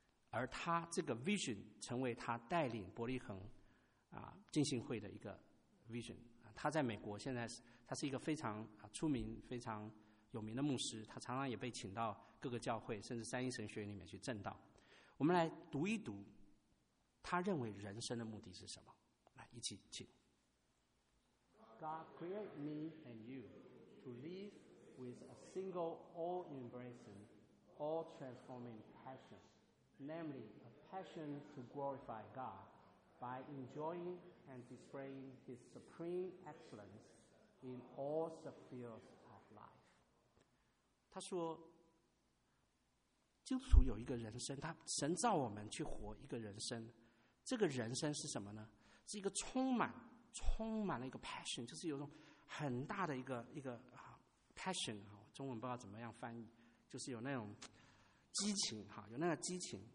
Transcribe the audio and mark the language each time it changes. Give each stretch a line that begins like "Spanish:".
Chinese: 而他这个 vision 成为他带领伯利恒浸信会的一个 vision。他在美国现在他是一个非常出名非常有名的牧师，他常常也被请到各个教会甚至三一神学院里面去证道。我们来读一读他认为人生的目的是什么，来一起请。
English: God created me and you to live with a single all-embracing all-transforming passion, namely a passion to glorify God by enjoying and displaying his supreme excellenceIn all the fields of life.
Chinese: 他说基督徒有一个人生，他神造我们去活一个人生，这个人生是什么呢？是一个充满了一个 passion， 就是有一种很大的一个 passion， 中文不知道怎么样翻译，就是有那种激情，有那个激情。